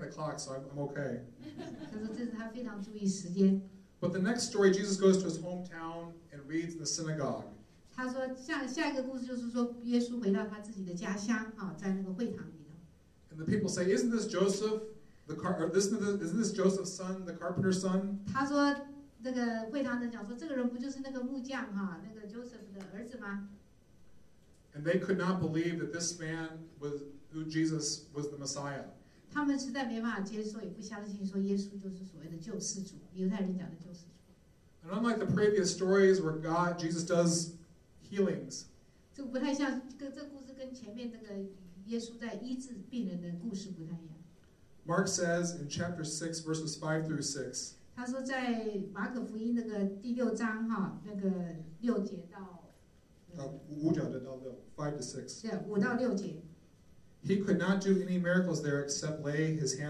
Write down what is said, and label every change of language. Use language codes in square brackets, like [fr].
[zh] 他说上一次的时候，他就是因为没有忘记看的时间的时候，他就一直讲。 [en] I'm looking at the clock, so I'm okay. But the next story, Jesus goes to his hometown and reads in the synagogue. [zh] 他说下一个故事就是说，耶稣回到他自己的家乡啊，在那个会堂里头。 [en] And the people say, "Isn't this Joseph, the car? Isn't this Joseph's son, the carpenter's son?" [zh] 他说那个会堂的讲说，这个人不就是那个木匠哈，那个 Joseph 的儿子吗？ [en] And they could not believe that this man was who Jesus was the Messiah. [zh] 他们实在没办法接受，也不相信说耶稣就是所谓的救世主，犹太人讲的救世主。 [en] And unlike the previous stories where God, Jesus does healings, [zh] 这不太像这个故事跟前面那个耶稣在医治病人的故事不太一样。 [en] Mark says in chapter 6, verses 5 through 6, [zh] 他说在马可福音那个第六章哈，那个六节到 [en] 5 to 6. [zh] Yeah, 5到6节. [en] He could not do any miracles there except lay his hands.